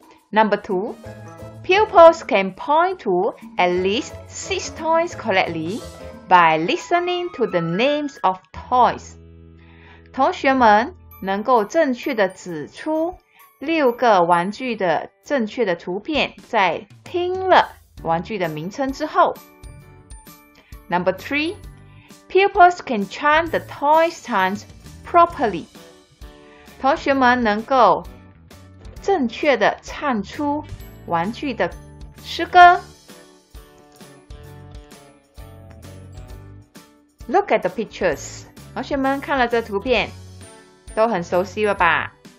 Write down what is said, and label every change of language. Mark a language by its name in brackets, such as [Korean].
[English] Number 2. Pupils can point to at least 6 toys correctly by listening to the names of toys. [Chinese] 同学们能够正确的指出六个玩具的正确的图片，在听了玩具的名称之后。 [English] Number 3, pupils can chant the toys' times properly. [Chinese] 同学们能够正确的唱出玩具的诗歌。 [English] Look at the pictures. [Chinese] 同学们看了这图片。都很熟悉了吧？